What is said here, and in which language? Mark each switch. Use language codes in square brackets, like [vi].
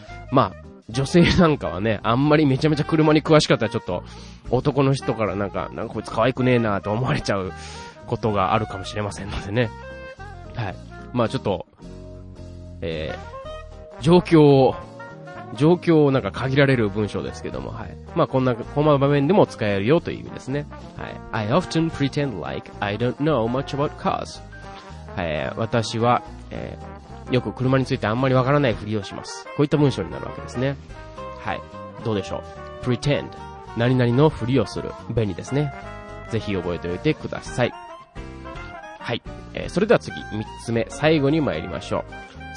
[ja] まあ、女性なんかはね、あんまりめちゃめちゃ車に詳しかったらちょっと男の人からなんかこいつ可愛くねえなと思われちゃうことがあるかもしれませんのでね。はい。まあちょっと、状況をなんか限られる文章ですけども、はい。まあ、こんな場面でも使えるよという意味ですね。はい。 [en] I often pretend like I don't know much about cars. [ja] はい。私は、よく車についてあんまりわからないふりをします。こういった文章になるわけですね。はい。どうでしょう。pretend。 何々のふりをする。便利ですね。ぜひ覚えておいてください。はい。それでは次、三つ目、最後に参りましょう。